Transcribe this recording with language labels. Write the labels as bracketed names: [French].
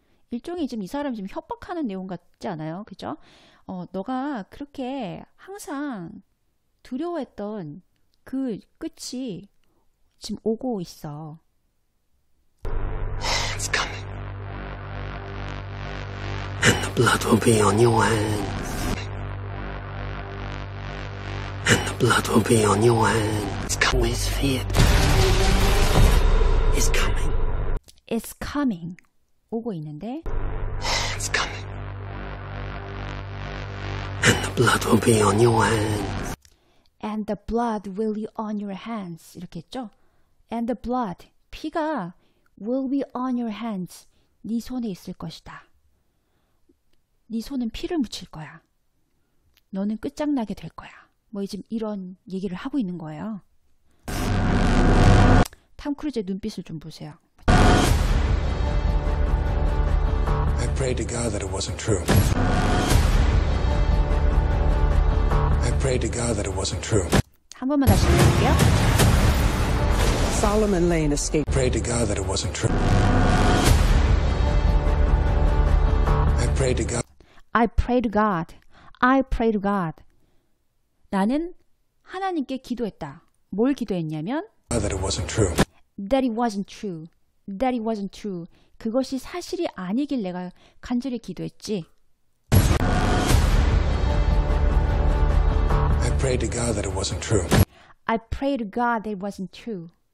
[Korean] 일종의 지금 이 사람이 지금 협박하는 내용 같지 않아요? 그죠? 너가 그렇게 항상 두려워했던 그 끝이 지금 오고 있어. [English] It's coming. And the blood will be on your hands. And the blood will be on your hands. It's coming. Where's fear? It's coming. It's coming. [Korean] 오고 있는데. [English] It's coming. And the blood will be on your hands. And the blood will be on your hands. [Korean] 이렇게 했죠? [English] And the blood, [Korean] 피가 [English] will be on your hands. [Korean] 네 손에 있을 것이다. 네 손은 피를 묻힐 거야. 너는 끝장나게 될 거야. 뭐 지금 이런 얘기를 하고 있는 거예요. 톰 크루즈의 눈빛을 좀 보세요. [English] I prayed to God that it wasn't true. I prayed to God that it wasn't true. [Korean] 한 번만 다시 해볼게요. [English] Solomon Lane escaped. I prayed to God that it wasn't true. I prayed to God. I prayed to God. I prayed to God. [Korean] 나는 하나님께 기도했다. 뭘 기도했냐면 [English] that it wasn't true. That it wasn't true. That it wasn't true. [Korean] 그것이 사실이 아니길 내가 간절히 기도했지. [English] I prayed to God that it wasn't true. I prayed to God that it wasn't true.